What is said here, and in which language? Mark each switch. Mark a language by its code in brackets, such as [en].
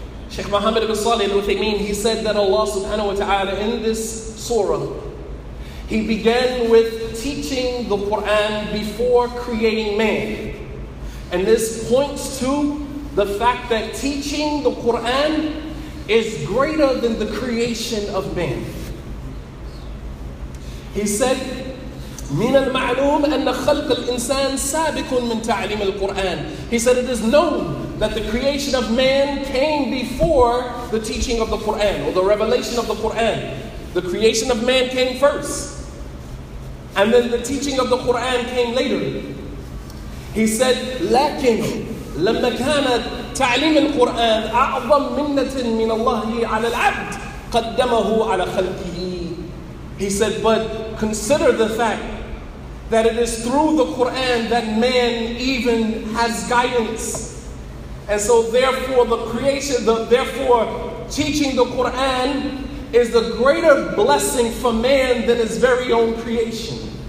[en] Sheikh Muhammad ibn Salih al-Uthaymeen, he said that Allah subhanahu wa ta'ala in this surah, He began with teaching the Quran before creating man. And this points to the fact that teaching the Quran is greater than the creation of man. He said, [ar] من المعلوم أن خلق الإنسان سابق من تعليم القرآن. [en] He said, it is known that the creation of man came before the teaching of the Quran or the revelation of the Quran. The creation of man came first. And then the teaching of the Quran came later. He said, [ar] لكن لما كان تعليم القرآن أعظم منة من الله على العبد قدمه على خلقه. [en] He said, but consider the fact that it is through the Quran that man even has guidance. And so therefore the creation, therefore teaching the Quran is the greater blessing for man than his very own creation.